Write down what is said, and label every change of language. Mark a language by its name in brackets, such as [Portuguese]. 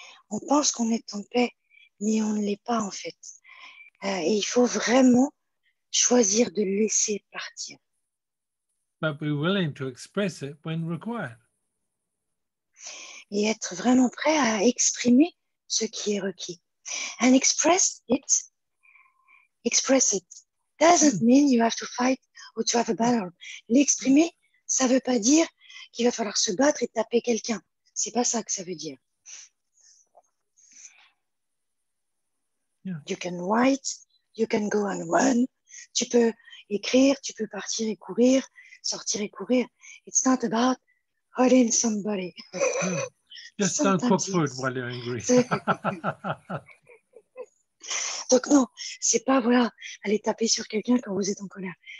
[French] On pense qu'on est en paix, mais on ne l'est pas en fait. Et il faut vraiment choisir de laisser partir. [English] But be willing to express it when required. [French] Et être vraiment prêt à exprimer ce qui est requis. [English] And express it doesn't mean you have to fight or to have a battle. [French] L'exprimer, ça veut pas dire qu'il va falloir se battre et taper quelqu'un. C'est pas ça que ça veut dire. [English] Yeah. You can write, you can go and run. [French] Tu peux écrire, tu peux partir et courir, sortir et courir. [English] It's not about hurting somebody. Yeah. Just don't cook food while you're angry. [French] Donc non, c'est pas voilà, aller taper sur quelqu'un quand vous êtes en colère.